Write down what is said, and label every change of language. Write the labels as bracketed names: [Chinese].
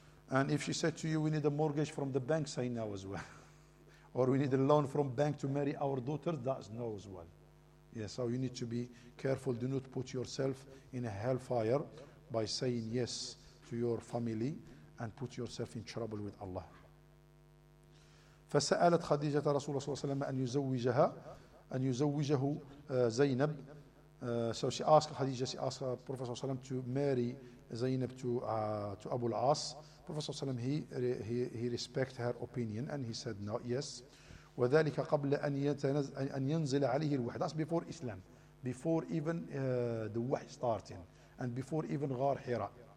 [English] And if she said to you, we need a mortgage from the bank, say no as well. Or we need a loan from bank to marry our daughter, that's no as well. Yeah, so you need to be careful, do not put yourself in a hellfire by saying yes to your family and put yourself in trouble with Allah. [Arabic] فسألت خديجة رسول الله صلى الله عليه وسلم أن يزوجها أن يزوجه زينب. [English] So she asked خديجة, she asked Prophet صلى الله عليه وسلم to marry زينب to Abu al-As. Prophet صلى الله عليه وسلم he respect her opinion and he said no, yes. [Arabic] وذلك قبل أن ينزل عليه الوحي. [English] That's before Islam, before even the wahy starting and before even غار حراء.